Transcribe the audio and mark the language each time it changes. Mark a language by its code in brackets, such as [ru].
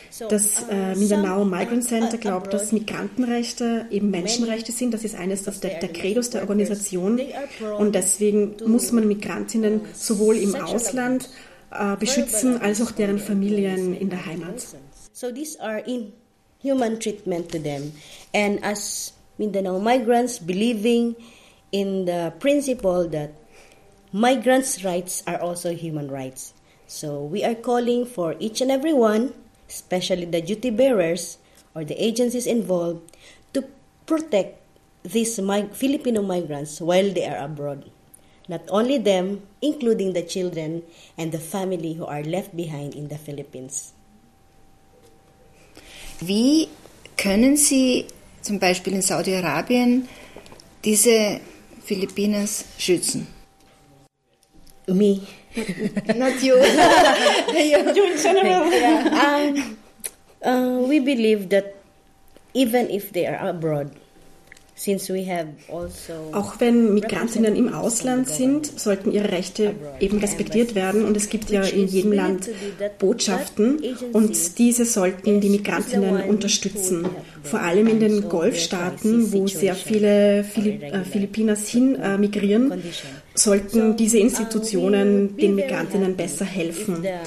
[de] Das Mindanao Migrant Center glaubt, dass Migrantenrechte eben Menschenrechte sind. Das ist eines der Credos der Organisation. Und deswegen muss man Migrantinnen sowohl im Ausland beschützen, als auch deren Familien in der Heimat. [en] So these are inhuman treatment to them. And as Mindanao migrants believing in the principle that migrants' rights are also human rights. So we are calling for each and every one, especially the duty bearers or the agencies involved, to protect these Filipino migrants while they are abroad. Not only them, including the children and the family who are left behind in the Philippines. [de] Wie können Sie zum Beispiel in Saudi-Arabien diese Filipinas schützen? [en] Me. Not you. You in general. Yeah. We believe that even if they are abroad, since we have also [de] auch wenn Migrantinnen im Ausland sind, sollten ihre Rechte eben respektiert werden. Und es gibt ja in jedem Land Botschaften und diese sollten die Migrantinnen unterstützen. Vor allem in den Golfstaaten, wo sehr viele Filipinas hin migrieren, sollten diese Institutionen den Migrantinnen besser helfen.